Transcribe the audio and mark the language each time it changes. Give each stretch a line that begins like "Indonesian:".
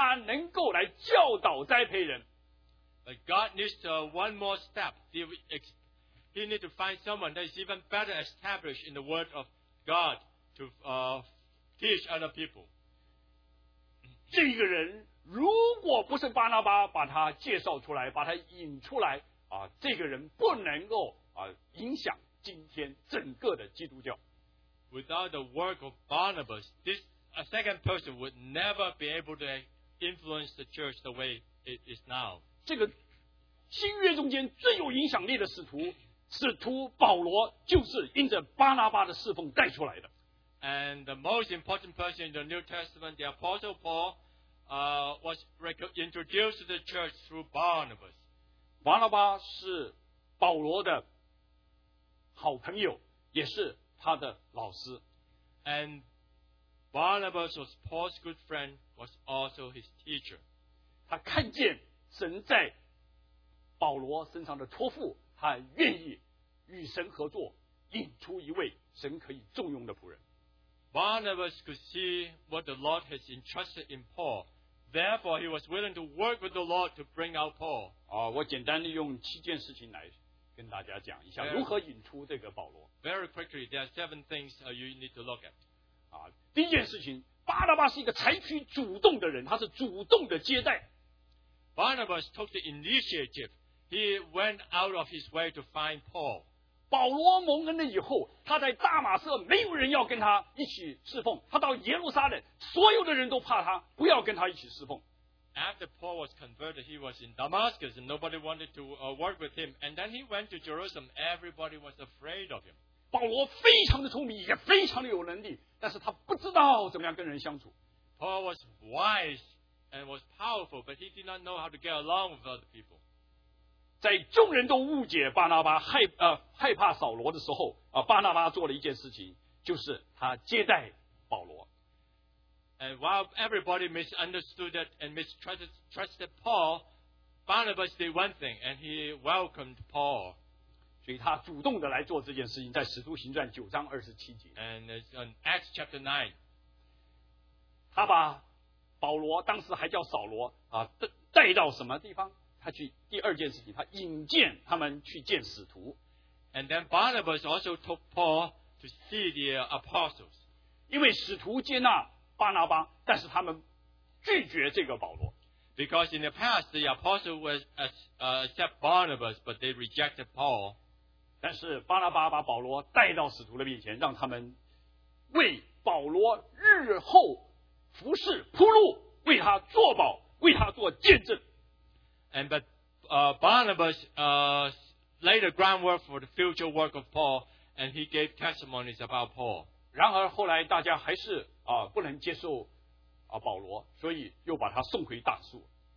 Chinese: 但是神要做更大的一件事情，他必须要借着一位对神的话语有更深刻认识的人，他能够来教导栽培人。
English: But God needs one more step. He needs to find someone that is even better established in the word of God to teach other people.
Chinese: 这个人如果不是巴拿巴把他介绍出来，把他引出来，这个人不能够影响今天整个的基督教。
English: Without the work of Barnabas, this a second person would never be able to influence the church the way it is now.
Chinese: 新约中间最有影响力的使徒保罗就是因着巴拿巴的侍奉带出来的。
English: And the most important person in the New Testament, the Apostle Paul, was introduced to the church through Barnabas.
Chinese: 巴拿巴是保罗的好朋友，也是他的老师。
English: And Barnabas was Paul's good friend, was also his teacher.
Chinese: 他看见神在保罗身上的托付，他愿意与神合作，引出一位神可以重用的仆人。
English: Barnabas could see what the Lord has entrusted in Paul. Therefore, he was willing to work with the Lord to bring out Paul.
Chinese: 我简单地用七件事情来跟大家讲一下如何引出这个保罗。
English: Very quickly, there are seven things you need to look at.
Chinese: 第一件事情，巴拿巴是一个采取主动的人，他是主动的接待。
English: Barnabas took the initiative. He went out of his way to find Paul.
Chinese: 保罗蒙恩了以后，他在大马色没有人要跟他一起侍奉，他到耶路撒冷，所有的人都怕他，不要跟他一起侍奉。
English: After Paul was converted, he was in Damascus and nobody wanted to work with him. And then he went to Jerusalem. Everybody was afraid of him.
Chinese: 保罗非常的聪明，也非常的有能力，但是他不知道怎么样跟人相处。
English: Paul was wise and was powerful, but he did not know how to get along with other people.
Chinese: 在众人都误解巴拿巴害怕扫罗的时候，巴拿巴做了一件事情，就是他接待保罗。
English: And while everybody misunderstood it and mistrusted Paul, Barnabas did one thing, and he welcomed Paul.
Chinese: 所以他主动的来做这件事情，在《使徒行传》九章二十七节。
English: And it's in Acts chapter 9.
Chinese: 他把保罗当时还叫扫罗带到什么地方？他去第二件事情，他引荐他们去见使徒。
English: And then Barnabas also took Paul to see the apostles.
Chinese: 因为使徒接纳巴拿巴，但是他们拒绝这个保罗。
English: Because in the past the apostle was accept Barnabas, but they rejected Paul.
Chinese: 但是巴拿巴把保罗带到使徒的面前，让他们为保罗日后服侍铺路，为他作保，为他做见证。
English: And but Barnabas laid the groundwork for the future work of Paul, and he gave testimonies about Paul.
Chinese: 然而后来大家还是不能接受保罗，所以又把他送回大树。